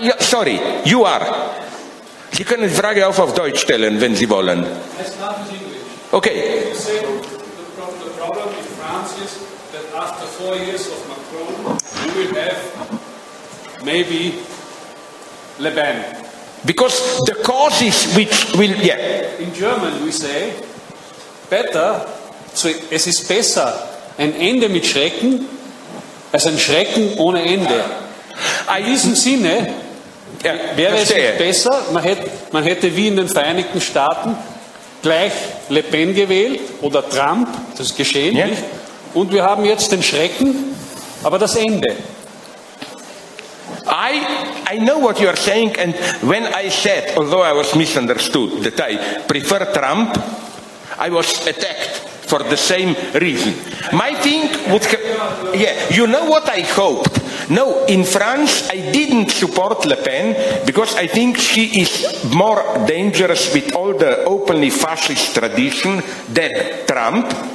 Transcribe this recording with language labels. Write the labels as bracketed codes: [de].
[de] Sie können die Frage auch auf Deutsch stellen, wenn Sie wollen. Es ist nicht Englisch. Okay. [en] The problem in France is that after 4 years of Macron, we will have maybe Le Pen. Because the causes which will, yeah. In German we say, better, [de] so es ist besser ein Ende mit Schrecken, als ein Schrecken ohne Ende. In diesem Sinne, ja, wäre es nicht besser, man hätte wie in den Vereinigten Staaten gleich Le Pen gewählt oder Trump, das ist geschehen, ja. Nicht? Und wir haben jetzt den Schrecken, aber das Ende. [en] I know what you are saying, and when I said, although I was misunderstood, that I prefer Trump, I was attacked for the same reason. My thing would have, yeah, you know what I hoped? No, in France I didn't support Le Pen because I think she is more dangerous with all the openly fascist tradition than Trump.